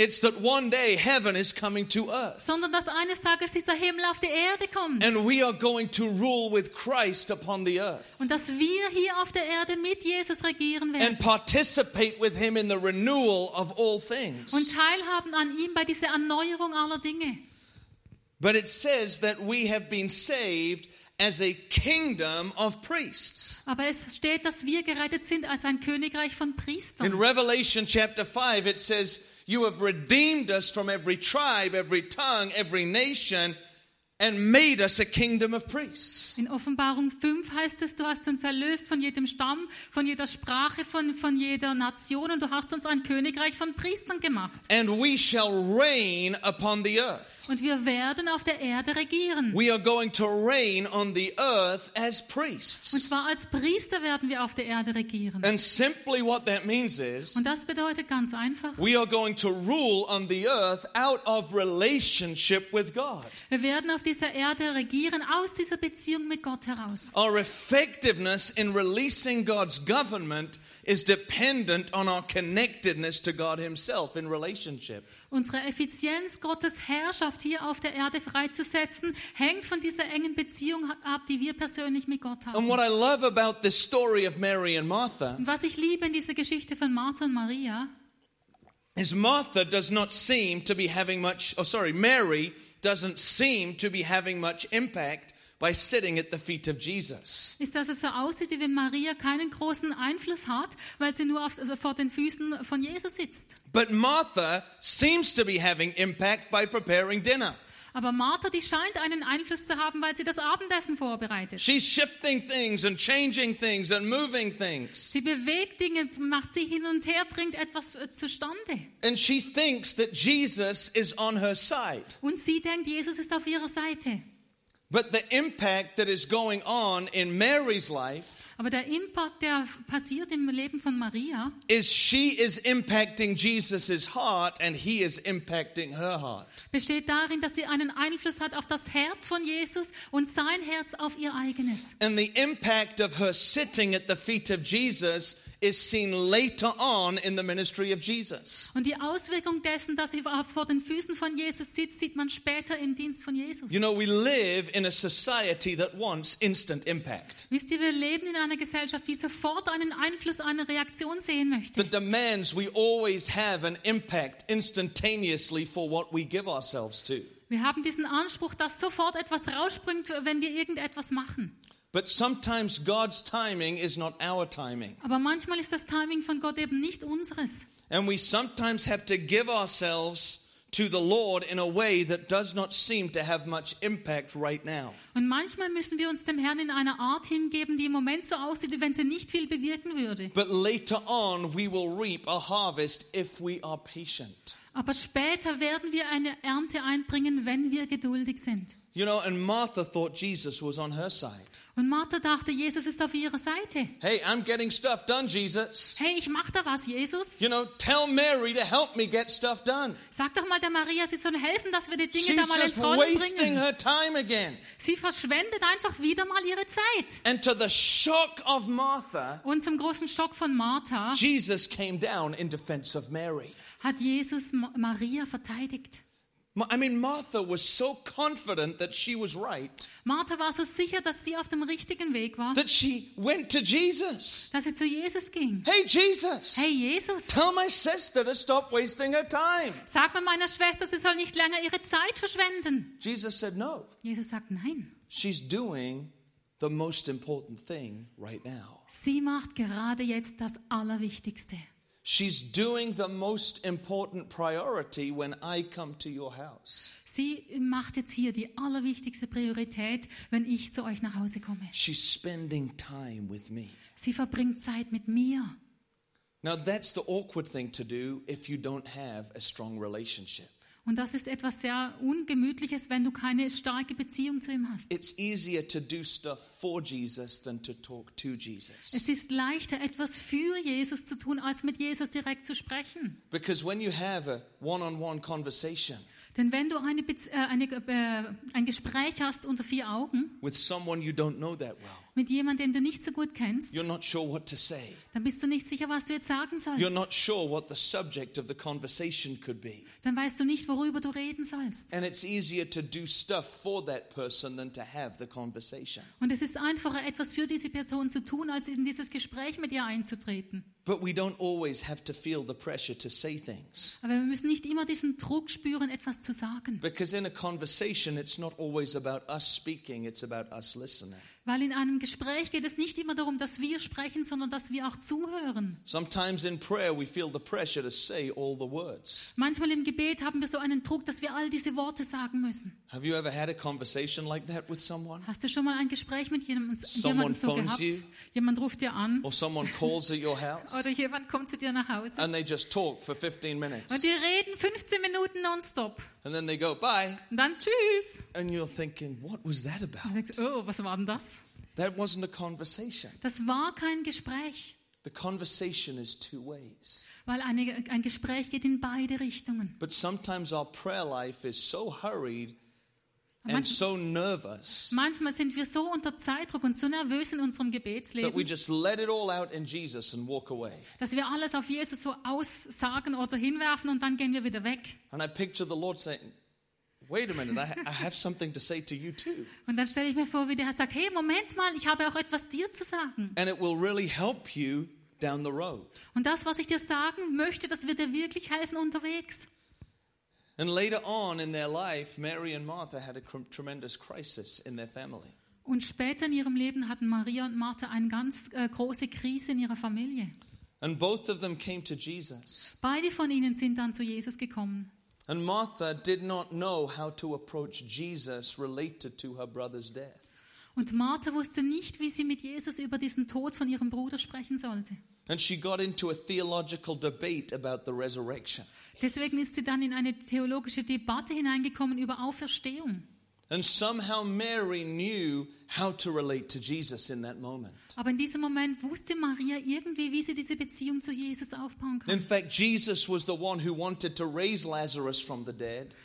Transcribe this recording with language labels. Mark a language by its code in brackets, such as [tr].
[en] It's that one day heaven is coming to earth. [de] Sondern dass eines Tages dieser Himmel auf die Erde kommt. [en] And we are going to rule with Christ upon the earth. [de] Und dass wir hier auf der Erde mit Jesus regieren werden. [en] And participate with him in the renewal of all things. [de] Und teilhaben an ihm bei dieser Erneuerung aller Dinge. [en] But it says that we have been saved as a kingdom of priests. [de] Aber es steht, dass wir gerettet sind als ein Königreich von Priestern. [en] In Revelation chapter 5 it says, you have redeemed us from every tribe, every tongue, every nation and made us a kingdom of priests. [de] In Offenbarung 5 heißt es, du hast uns erlöst von jedem Stamm, von jeder Sprache, von jeder Nation und du hast uns ein Königreich von Priestern gemacht. [en] And we shall reign upon the earth. [de] Und wir werden auf der Erde regieren. [en] We are going to reign on the earth as priests. [de] Und zwar als Priester werden wir auf der Erde regieren. [en] And simply what that means is, [de] und das bedeutet ganz einfach, [en] we are going to rule on the earth out of relationship with God. [de] Wir werden auf dieser Erde regieren aus dieser Beziehung mit Gott heraus. [en] Our effectiveness in releasing God's government is dependent on our connectedness to God himself in relationship. [de] Unsere Effizienz, Gottes Herrschaft hier auf der Erde freizusetzen, hängt von dieser engen Beziehung ab, die wir persönlich mit Gott haben. [en] And what I love about this story of Mary and Martha, [de] was ich liebe in dieser Geschichte von Martha und Maria, [en] is Martha does not seem to be having much, Mary doesn't seem to be having much impact by sitting at the feet of Jesus. [de] Ist, dass es so aussieht, wie wenn Maria keinen großen Einfluss hat, weil sie nur vor den Füßen von Jesus sitzt. [en] But Martha seems to be having impact by preparing dinner. [de] Aber Martha, die scheint einen Einfluss zu haben, weil sie das Abendessen vorbereitet. [en] She's shifting things and changing things and moving things. [de] Sie bewegt Dinge, macht sie hin und her, bringt etwas zustande. [en] And she thinks that Jesus is on her side. [de] Und sie denkt, Jesus ist auf ihrer Seite. [en] But the impact that is going on in Mary's life, [de] aber der Impact, der passiert im Leben von Maria, [en] is she is impacting Jesus' heart and he is impacting her heart. [de] Besteht darin, dass sie einen Einfluss hat auf das Herz von Jesus und sein Herz auf ihr eigenes. [en] And the impact of her sitting at the feet of Jesus is seen later on in the ministry of Jesus. [de] Und die Auswirkung dessen, dass sie vor den Füßen von Jesus sitzt, sieht man später im Dienst von Jesus. [en] You know, we live in a society that wants instant impact. [de] Wisst ihr, wir leben in einer Gesellschaft, die sofort einen Einfluss, eine Reaktion sehen möchte. [en] The demands we always have an impact instantaneously for what we give ourselves to. [de] Wir haben diesen Anspruch, dass sofort etwas rausspringt, wenn wir irgendetwas machen. [en] But sometimes God's timing is not our timing. [de] Aber manchmal ist das Timing von Gott eben nicht unseres. [en] And we sometimes have to give ourselves to the Lord in a way that does not seem to have much impact right now. [de] Und manchmal müssen wir uns dem Herrn in einer Art hingeben, die im Moment so aussieht, wie wenn sie nicht viel bewirken würde. [en] But later on we will reap a harvest if we are patient. [de] Aber später werden wir eine Ernte einbringen, wenn wir geduldig sind. [en] You know, and Martha thought Jesus was on her side. [de] Und Martha dachte, Jesus ist auf ihrer Seite. [en] Hey, I'm getting stuff done, Jesus. [de] Hey, ich mach da was, Jesus. [en] You know, tell Mary to help me get stuff done. [de] Sag doch mal der Maria, sie soll helfen, dass wir die Dinge [en] She's [de] da mal ins Rollen bringen. [en] She's wasting her time again. [de] Sie verschwendet einfach wieder mal ihre Zeit. [en] And to the shock of Martha, [de] und zum großen Schock von Martha, [en] Jesus came down in defense of Mary. [de] Hat Jesus Maria verteidigt. [en] I mean, Martha was so confident that she was right. [de] Martha war so sicher, dass sie auf dem richtigen Weg war. [en] That she went to Jesus. [de] Dass sie zu Jesus ging. [en] Hey Jesus. [de] Hey Jesus. [en] Tell my sister to stop wasting her time. [de] Sag mal meiner Schwester, sie soll nicht länger ihre Zeit verschwenden. [en] Jesus said no. [de] Jesus sagt nein. [en] She's doing the most important thing right now. [de] Sie macht gerade jetzt das Allerwichtigste. [en] She's doing the most important priority when I come to your house. [de] Sie macht jetzt hier die allerwichtigste Priorität, wenn ich zu euch nach Hause komme. [en] She's spending time with me. [de] Sie verbringt Zeit mit mir. [en] Now that's the awkward thing to do if you don't have a strong relationship. [de] Und das ist etwas sehr Ungemütliches, wenn du keine starke Beziehung zu ihm hast. [en] It's easier to do stuff for Jesus than to talk to Jesus. [de] Es ist leichter, etwas für Jesus zu tun, als mit Jesus direkt zu sprechen. [en] Because when you have a one-on-one conversation, [de] denn wenn du ein Gespräch hast unter vier Augen [en] with someone you don't know that well, [de] mit jemandem, den du nicht so gut kennst, [en] you're not sure what to say. [de] Dann bist du nicht sicher, was du jetzt sagen sollst. [en] You're not sure what the subject of the conversation could be. [de] Dann weißt du nicht, worüber du reden sollst. [en] And it's easier to do stuff for that person than to have the conversation. [de] Und es ist einfacher, etwas für diese Person zu tun, als in dieses Gespräch mit ihr einzutreten. [en] But we don't always have to feel the pressure to say things. [de] Aber wir müssen nicht immer diesen Druck spüren, etwas zu sagen. [en] Because in a conversation, it's not always about us speaking, it's about us listening. [de] Weil in einem Gespräch geht es nicht immer darum, dass wir sprechen, sondern dass wir auch zuhören. [en] Sometimes in prayer we feel the pressure to say all the words. [de] Manchmal im Gebet haben wir so einen Druck, dass wir all diese Worte sagen müssen. [en] Have you ever had a conversation like that with someone? [de] Hast du schon mal ein Gespräch mit jemandem so gehabt? [en] You? [de] Jemand ruft dir an. [en] Or someone calls at your house. [de] Oder jemand kommt zu dir nach Hause. [en] And they just talk for 15 minutes. [de] Und die reden 15 Minuten nonstop. [en] And then they go bye. [de] Und dann tschüss. [en] And you're thinking, what was that about? [de] Denkst, oh, was war denn das? [en] That wasn't a conversation. [de] Das war kein Gespräch. [en] The conversation is two ways. [de] Weil ein Gespräch geht in beide Richtungen. [en] But sometimes our prayer life is so hurried and so nervous. [de] Manchmal sind wir so unter Zeitdruck und so nervös in unserem Gebetsleben. [en] That we just let it all out in Jesus and walk away. [de] Dass wir alles auf Jesus so aussagen oder hinwerfen und dann gehen wir wieder weg. [en] And I picture the Lord saying, "Wait a minute, I have something to say to you too." [de] Und dann stelle ich mir vor, wie der Herr sagt, "Hey, Moment mal, ich habe auch etwas dir zu sagen." [en] And it will really help you down the road. [de] Und das, was ich dir sagen möchte, das wird dir wirklich helfen unterwegs. [en] And later on in their life, Mary and Martha had a tremendous crisis in their family. [de] Und später in ihrem Leben hatten Maria und Martha eine ganz große Krise in ihrer Familie. [en] And both of them came to Jesus. [de] Beide von ihnen sind dann zu Jesus gekommen. [en] And Martha did not know how to approach Jesus related to her brother's death. [de] Und Martha wusste nicht, wie sie mit Jesus über diesen Tod von ihrem Bruder sprechen sollte. [en] And she got into a theological debate about the resurrection. [de] Deswegen ist sie dann in eine theologische Debatte hineingekommen über Auferstehung. [en] And somehow Mary knew how to relate to Jesus in that moment. [de] Aber in diesem Moment wusste Maria irgendwie, wie sie diese Beziehung zu Jesus aufbauen kann. [en] In fact, Jesus was the one who wanted to raise Lazarus from the dead.